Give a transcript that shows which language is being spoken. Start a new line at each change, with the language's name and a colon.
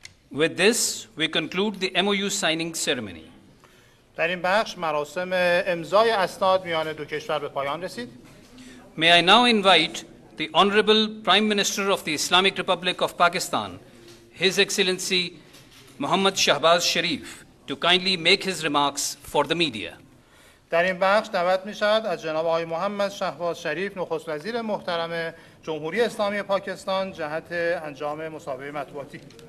English: With this, we conclude the MOU signing ceremony.
Persian: در این بخش مراسم امضای اسناد میان دو کشور به پایان رسید.
English: May I now invite the Honorable Prime Minister of the Islamic Republic of Pakistan, His Excellency Muhammad Shahbaz Sharif, to kindly make his remarks for the media.
Persian: در این بخش دعوت می شود از جناب آقای محمد شهباز شریف نخست وزیر محترم جمهوری اسلامی پاکستان جهت انجام مصاحبه مطبوعاتی.